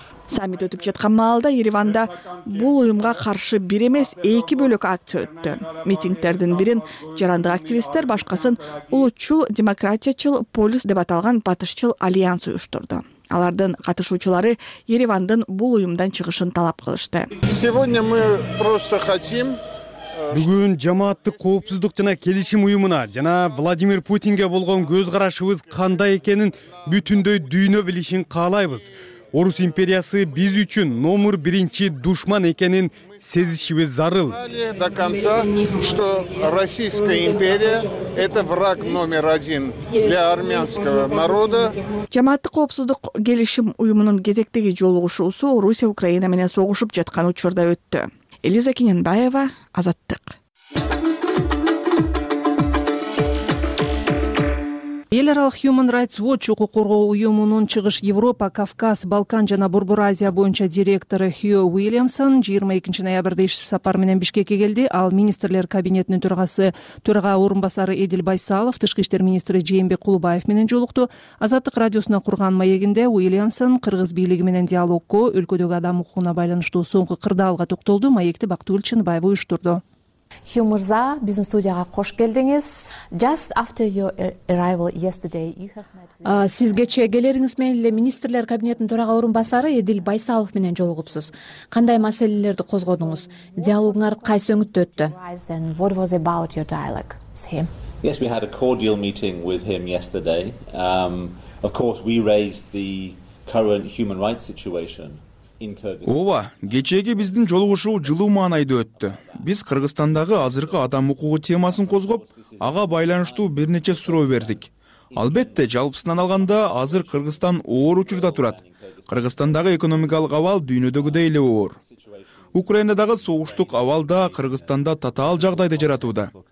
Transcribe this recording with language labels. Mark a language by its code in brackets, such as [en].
[ky] Саммит өтүп жаткан маалда Ереванда бул уюмга каршы бир эмес эки бөлөк акция өттү. Митингтердин бирин жарандык активисттер, башкасын улутчул, демократиячыл полюс деп аталган батышчыл альянс уюштурду. Алардын катышуучулары Еревандын бул уюмдан чыгышын талап кылышты. [ru] Сегодня мы просто хотим. [ky] Бүгүн жамааттык коопсуздук жана келишим уюмуна жана Владимир Путинге болгон көз карашыбыз кандай экенин бүтүндөй дүйнө билишин каалайбыз. Орус империясы биз үчүн номер биринчи душман экенин сезишибиз зарыл. [ru] До конца, что Российская империя это враг номер один для армянского народа. [ky] Жамааттык коопсуздук келишим уюмунун кезектеги жолугушуусу Орусия Украина менен согушуп жаткан учурда өттү. Элиза Кененбаева, Азаттык. Эл аралык Human Rights Watch укук коргоо уюмунун чыгыш Европа, Кавказ, Балкан жана Борбор Азия боюнча директору Хью Уильямсон 22 ноябрда иш сапар менен Бишкекке келди. Ал министрлер кабинетинин төрагасы, төрага орун басары Эдил Байсалов, тышкы иштер министри Жээнбек Кулубаев менен жолукту. Азаттык радиосуна курган маегинде Уильямсон кыргыз бийлиги менен диалогко, өлкөдөгү адам укугуна байланыштуу соңку кырдаалга токтолду. Маекти Бактуул Чынбаев уюштурду. Хью Мырза, биздин студияга кош келдиңиз. [en] Just after your arrival yesterday, you have met with... [ky] Сиз кечээ келериңиз менен эле министрлер кабинетинин төрага орун басары Эдил Байсалов менен жолугупсуз. Кандай маселелерди козгодуңуз? Диалогуңар кайсы өңүттө өттү? [en] What was about your dialogue with him? Yes, we had a cordial meeting with him yesterday. Of course, we raised the current human rights situation. [ky] Ооба, кечээки биздин жолугушуу жылуу маанайда өттү. Биз Кыргызстандагы азыркы адам укугу темасын козгоп, ага байланыштуу бир нече суроо бердик. Албетте, жалпысынан алганда, азыр Кыргызстан оор учурда турат. Кыргызстандагы экономикалык абал дүйнөдөгүдөй эле оор. Украинадагы согуштук абал да Кыргызстанда татаал жагдайды жаратууда.